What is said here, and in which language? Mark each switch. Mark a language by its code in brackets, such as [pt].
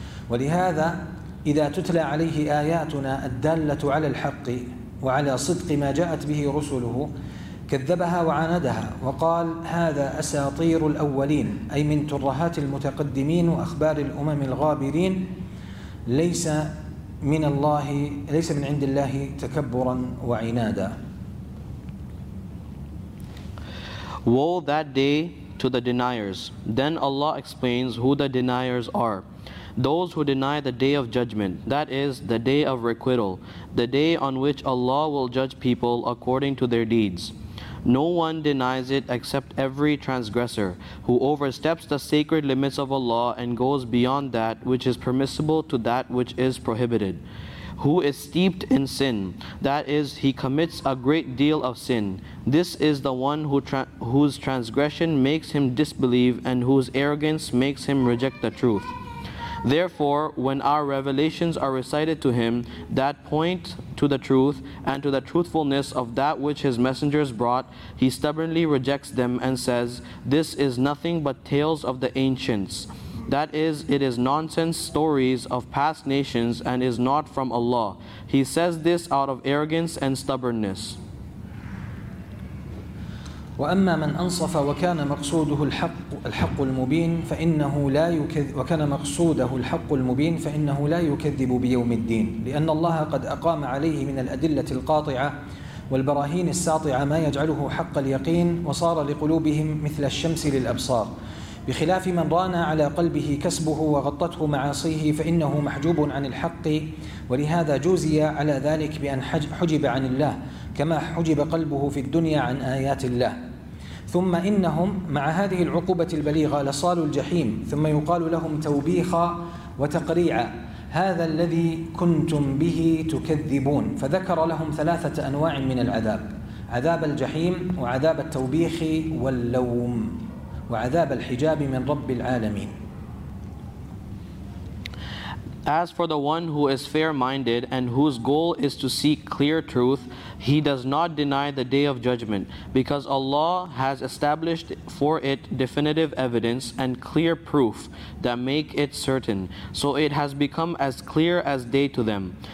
[ar] ولهذا إذا تتلى عليه آياتنا الدالة على الحق وعلى صدق ما جاءت به رسله كذبها وعاندها وقال هذا أساطير الأولين, أي من ترهات المتقدمين وأخبار الأمم الغابرين, ليس من الله, ليس من عند الله تكبرا وعنادا. [en] Woe that day to the deniers. Then Allah explains who the deniers are. Those who deny the day of judgment, that is, the day of requital, the day on which Allah will judge people according to their deeds. No one denies it except every transgressor who oversteps the sacred limits of Allah and goes beyond that which is permissible to that which is prohibited. Who is steeped in sin, that is, he commits a great deal of sin. This is the one who whose transgression makes him disbelieve and whose arrogance makes him reject the truth. Therefore, when our revelations are recited to him that point to the truth and to the truthfulness of that which his messengers brought, he stubbornly rejects them and says, "This is nothing but tales of the ancients." That is, it is nonsense stories of past nations and is not from Allah. He says this out of arrogance and stubbornness. [ar] وأما من أنصف وكان مقصوده الحق المبين فإنه لا يكذب وكان مقصوده الحق المبين فإنه لا يكذب بيوم الدين لأن الله قد أقام عليه من الأدلة القاطعة والبراهين الساطعة ما يجعله حق اليقين وصار لقلوبهم مثل الشمس للأبصار بخلاف من ران على قلبه كسبه وغطته معاصيه فإنه محجوب عن الحق ولهذا جوزي على ذلك بأن حجب عن الله كما حجب قلبه في الدنيا عن آيات الله ثم إنهم مع هذه العقوبة البليغة لصالوا الجحيم ثم يقال لهم توبيخا وتقريعا هذا الذي كنتم به تكذبون فذكر لهم ثلاثة أنواع من العذاب عذاب الجحيم وعذاب التوبيخ واللوم وعذاب الحجاب من رب العالمين. [en] As for the one who is fair-minded and whose goal is to seek clear truth, he does not deny the day of judgment, because Allah has established for it definitive evidence and clear proof that make it certain, so it has become as clear as day to them.